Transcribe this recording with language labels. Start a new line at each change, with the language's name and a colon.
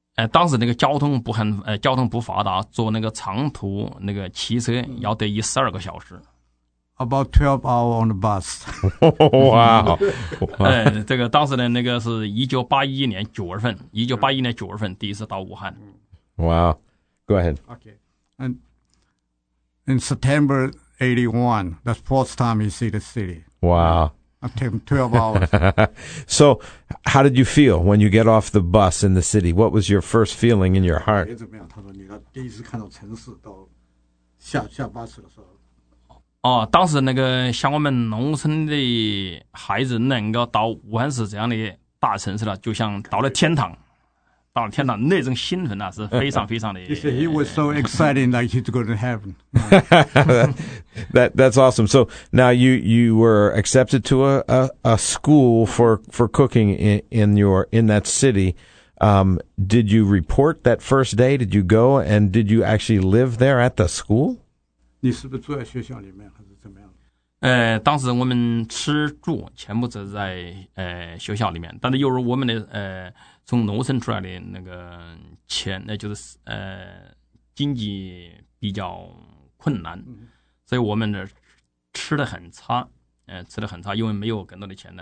Chinese: 当时那个交通不很，交通不发达，坐那个长途那个汽车要得12个小时。
English: About 12 hours on the bus. Wow.
Chinese: 这个当时的那个是1981年9月份第一次到武汉。
English: Wow. Go ahead. Okay. And in September 81, that's the first time you see the city. Wow. It took 12 hours. So how did you feel when you get off the bus in the city? What was your first feeling in your heart?
Chinese: 怎么样？他说你第一次看到城市到下巴士的时候。哦，当时那个像我们农村的孩子能够到武汉市这样的大城市了，就像到了天堂，到了天堂那种兴奋啊，是非常非常的。
English: He said he was so excited like he's going to heaven. That's awesome. So now you were accepted to a school for cooking in that city. Did you report that first day? Did you go and did you actually live there at the school?
Chinese: 你是不是住在学校里面还是怎么样？当时我们吃住全部都在学校里面，但是由于我们的从农村出来的那个钱，那就是经济比较困难，所以我们的吃的很差，吃的很差，因为没有更多的钱来